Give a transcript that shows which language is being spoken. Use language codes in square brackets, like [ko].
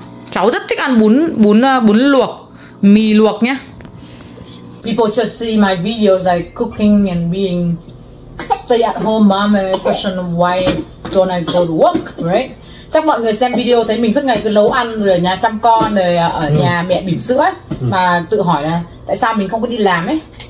[vi] Cháu rất thích ăn bún luộc, mì luộc nhé. [en] People should see my videos like cooking and being stay at home mom and question why don't I go to work, right? [vi] Chắc mọi người xem video thấy mình suốt ngày cứ nấu ăn rồi ở nhà chăm con rồi ở nhà mẹ bỉm sữa ấy, mà tự hỏi là tại sao mình không có đi làm ấy.